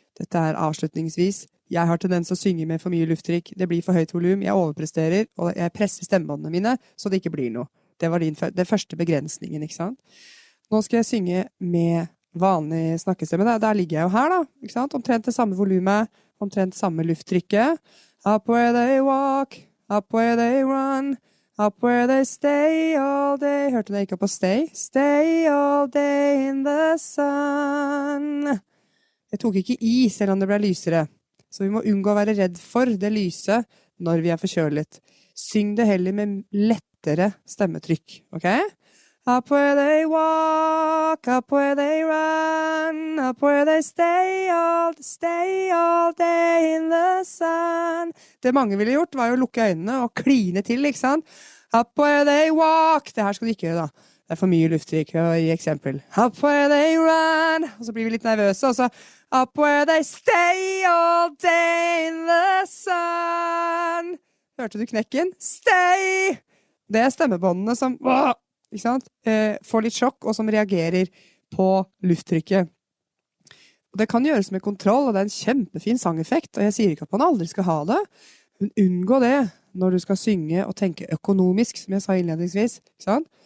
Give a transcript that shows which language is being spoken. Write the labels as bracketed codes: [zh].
[no] Dette avslutningsvis. Jeg har tendens å synge med for mye lufttrykk. Det blir for høyt volym. Jeg overpresterer, og jeg presser stemmebåndene mine, så det ikke blir noe. Det var den første begrensningen, ikke sant? Nå skal jeg synge med vanlig snakkestemme. Der ligger jeg jo her, da, ikke sant? Omtrent det samme volymet, omtrent samme lufttrykket. [en] Up where they walk, up where they run. Up where they stay all day. [no] Hørte du det ikke på [en] stay? Stay all day in the sun. [no] Jeg tok ikke i, selv om det ble lysere. Så vi må unngå å være redd for det lyse når vi forkjølet. Syng det heller med lettere stemmetrykk, ok? [en] Up where they walk, up where they run. Up where they stay all day in the sun. [no] Det mange ville gjort var jo å lukke øynene og kline til, ikke sant? [en] Up where they walk. [no] Det her skal du ikke gjøre, da. Det for mye lufttrykk å gi eksempel. [en] Up where they run. [no] Og så blir vi litt nervøse, og så. [en] Up where they stay all day in the sun. [no] Hørte du knekken? Stay. Det stemmebåndene som... Ikke sant? Får litt sjokk, og som reagerer på lufttrykket. Og det kan gjøres med kontroll, og det en kjempefin sangeffekt, og jeg sier ikke at man aldri skal ha det, men unngå det når du skal synge og tenke økonomisk, som jeg sa innledningsvis, ikke sant?